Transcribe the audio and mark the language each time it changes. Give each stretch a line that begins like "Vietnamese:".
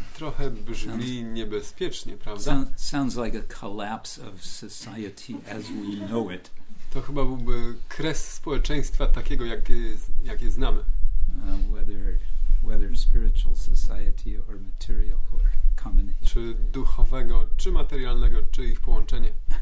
Polish: Trochę brzmi niebezpiecznie, prawda?
English: Sounds like a collapse of society as we know it.
Polish: To chyba byłby kres społeczeństwa takiego, jakie znamy.
English: Whether spiritual society or material or combination.
Polish: Czy duchowego, czy materialnego, czy ich połączenie.